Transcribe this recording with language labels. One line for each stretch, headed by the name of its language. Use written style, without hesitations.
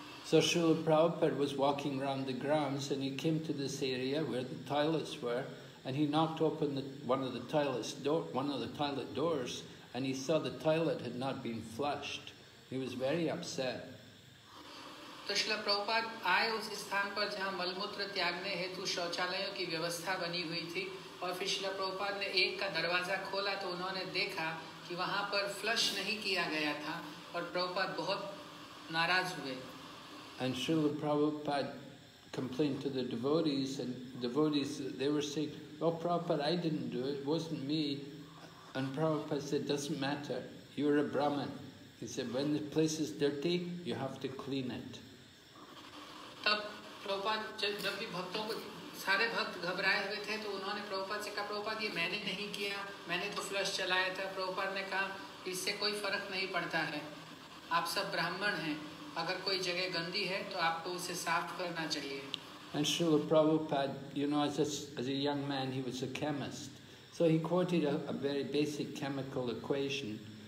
English: So Srila Prabhupada was walking around the grounds and he came to this area where the toilets were and he knocked open one of the toilet doors and he saw the toilet had not been flushed. He was very upset.
Hindi: तो श्रीला प्रभुपाद आए उस स्थान पर जहाँ मलमूत्र त्यागने हेतु शौचालयों की व्यवस्था बनी हुई थी और फिर श्रीला प्रभुपाद ने एक का दरवाजा खोला तो उन्होंने देखा कि वहाँ पर फ्लश नहीं किया गया था और प्रभुपाद बहुत नाराज हुए।
English: And Srila Prabhupada complained to the devotees, and devotees, they were saying, well, Prabhupada, I didn't do it, it wasn't me. And Prabhupada said, doesn't matter, you're a Brahmin. He said, when the place is dirty, you have to clean it.
Hindi: तब प्रभुपाद जब भी भक्तों को सारे भक्त घबराए हुए थे तो उन्होंने प्रभुपाद से कहा प्रभुपाद ये मैंने नहीं किया, मैंने तो फ्लश चलाया था। प्रभुपाद ने कहा इससे कोई फर्क नहीं पड़ता है, आप सब ब्राह्मण हैं, अगर कोई जगह गंदी है तो आपको उसे साफ करना चाहिए।
English: And Srila Prabhupada, you know, as a young man, he was a chemist. So he quoted a very basic chemical equation.